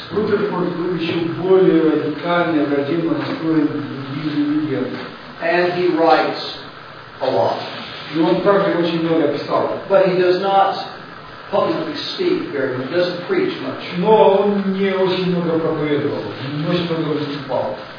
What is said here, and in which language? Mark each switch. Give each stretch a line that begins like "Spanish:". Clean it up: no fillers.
Russian: Rutherford был еще более радикально враждебно настроен к другим религиям.
English: And he writes a lot.
Russian: И он также очень много писал.
English: But he does not publicly speak very much. Doesn't preach much.
Russian: Но он не очень много проповедовал. Не очень много выступал.